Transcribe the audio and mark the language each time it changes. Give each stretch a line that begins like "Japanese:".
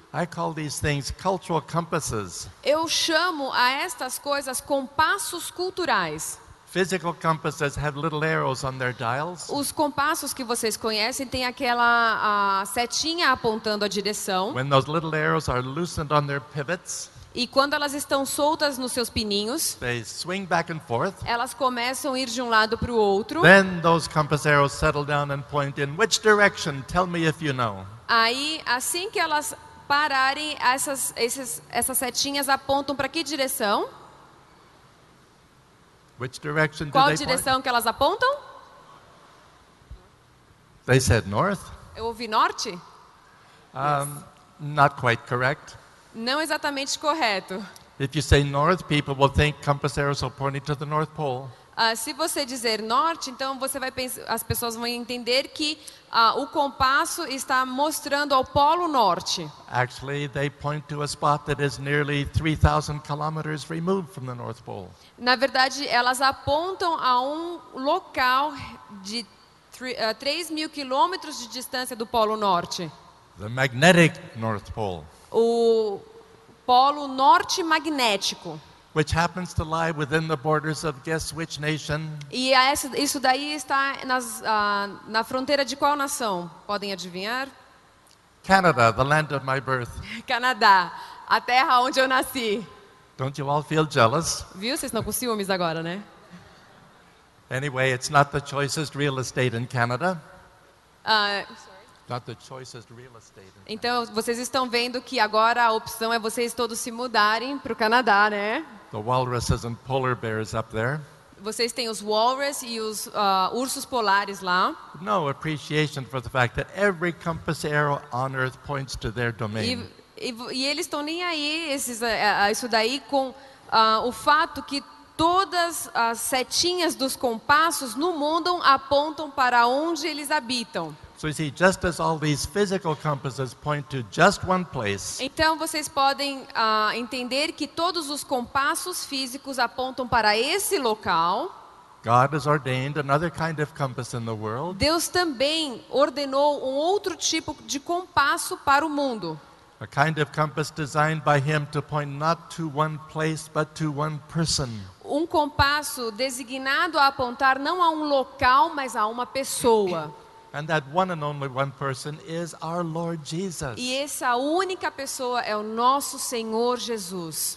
English: I call these things cultural compasses.
Portuguese: Eu chamo a estas coisas compassos culturais.
English: Physical compasses have little arrows on their dials.
Portuguese: Os compassos que vocês conhecem têm aquela setinha apontando a direção.
English: When those little arrows are loosened on their pivots,
Portuguese: e quando elas estão soltas nos seus pininhos,
English: they swing back and forth.
Portuguese: Elas começam a ir de lado para o outro.
English: Then those compass arrows settle down and point in which direction? Tell me if you know.
Portuguese: Aí, assim que elas pararem, essas setinhas apontam para que direção?
English: Which direction do
Portuguese: Qual
English: they
Portuguese: direção
English: point?
Portuguese: Que elas apontam?
English: They said north.
Portuguese: Eu ouvi norte?
English: Yes. Not quite correct.
Portuguese: Não exatamente correto.
English: If you say north, people will think compass arrows are pointing to the North Pole.
Portuguese: Se você dizer norte, então você vai pensar, as pessoas vão entender que o compasso está mostrando ao Polo Norte.
English: Actually, they point to a spot that is nearly 3,000 kilometers removed from the North Pole.
Portuguese: Na verdade, elas apontam a um local de 3,000 quilômetros de distância do Polo Norte.
English: The magnetic North Pole.
Portuguese: O Polo Norte magnético.
English: Which happens to lie within the borders of guess which nation?
Portuguese: E isso daí está na fronteira de qual nação? Podem adivinhar?
English: Canada, the land of my birth.
Portuguese: Canadá, a terra onde eu nasci.
English: Don't you all feel jealous?
Portuguese: Viu, vocês estão com ciúmes agora, né?
English: Anyway, it's not the choicest real estate in Canada. Not the choicest real estate.
Portuguese: Então, vocês estão vendo que agora a opção é vocês todos se mudarem para o Canadá, né?
English: The walruses and polar bears up there.
Portuguese: Vocês têm os walrus e os ursos polares lá.
English: No appreciation for the fact that every compass arrow on earth points to their domain.
Portuguese: E eles estão nem aí, isso daí, com o fato que todas as setinhas dos compassos no mundo apontam para onde eles habitam.
English: So you see, just as all these physical compasses point to just one place.
Portuguese: Então vocês podem entender que todos os compassos físicos apontam para esse local.
English: God has ordained another kind of compass in the world.
Portuguese: Deus também ordenou um outro tipo de compasso para o mundo.
English: A kind of compass designed by him to point not to one place but to one person.
Portuguese: Um compasso designado a apontar não a um local, mas a uma pessoa.
English: And that one and only one person is our Lord Jesus.
Portuguese: E essa única pessoa é o nosso Senhor Jesus.